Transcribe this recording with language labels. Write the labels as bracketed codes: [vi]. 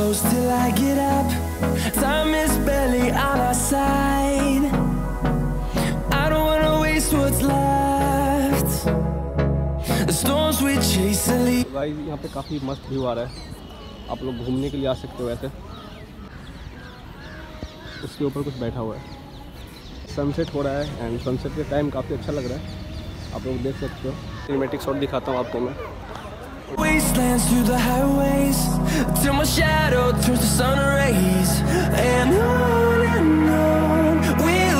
[en] Till I get up, time is barely on our side. I don't wanna waste what's left. The storms we chase and leave. [hi] Guys, यहाँ पे काफी मस्त view आ रहा है, आप लोग घूमने के लिए आ सकते हो। वैसे उसके ऊपर कुछ बैठा हुआ है, सनसेट हो रहा है एंड सनसेट के टाइम काफी अच्छा लग रहा है, आप लोग देख सकते हो। सिनेमेटिक शॉट दिखाता हूँ आपको मैं। [en] Wastelands through the highways till my shadow turns to sun rays and on and on.